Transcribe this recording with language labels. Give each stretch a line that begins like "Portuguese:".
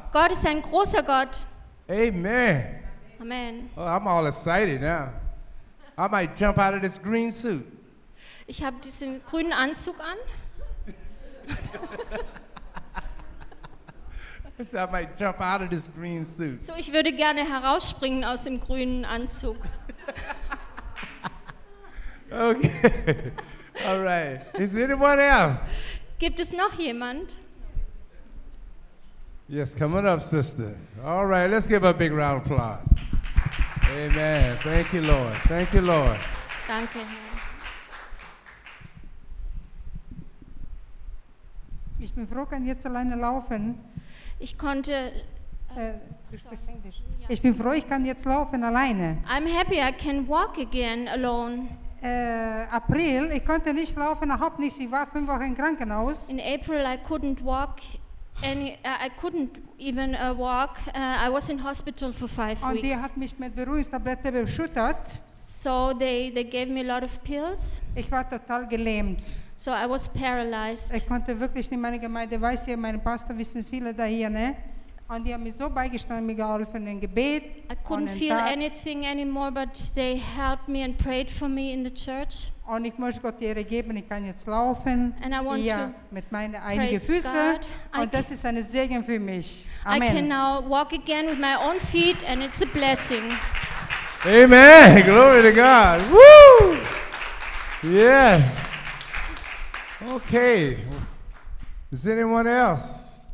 English: God is
German: ein großer Gott. Amen. Amen.
English: Oh, I'm all excited now. I might jump out of this green suit.
German: Ich habe diesen grünen Anzug an.
English: So I might jump out of this green suit.
German: So ich würde gerne herausspringen aus dem grünen Anzug.
English: Okay. All right. Is anyone else?
German: Gibt es noch jemand?
English: Yes, come on up, sister. All right, let's give a big round of applause. Amen. Thank you, Lord. Thank you, Lord.
German: Danke. Ich bin froh, kann jetzt alleine laufen. Ich konnte. Ich bin froh, ich kann jetzt laufen alleine.
English: I'm happy I can walk again alone.
German: April, ich konnte nicht laufen, überhaupt nicht. Ich war 5 Wochen im Krankenhaus.
English: In April I couldn't walk And I couldn't even walk. I was in hospital for 5 weeks.
German: Und die hat mich mit Beruhigungstabletten beschüttet.
English: So they gave me a lot of pills.
German: Ich war total gelähmt.
English: So I was paralyzed.
German: Ich konnte wirklich nicht meine Gemeinde, weiß ihr, meine Pastor wissen viele da hier, ne? Und die haben mir so beigestanden, mir geholfen im Gebet.
English: I couldn't feel anything anymore, but they helped me and prayed for me in the church.
German: Und ich muss Gott die Ehre geben, ich kann jetzt laufen.
English: And I want
German: mit meinen eigenen Füßen. Und das ist eine Segen für mich.
English: Amen. I can now walk again with my own feet and it's a blessing. Amen. Glory to God. Woo! Yes. Okay. Is anyone else?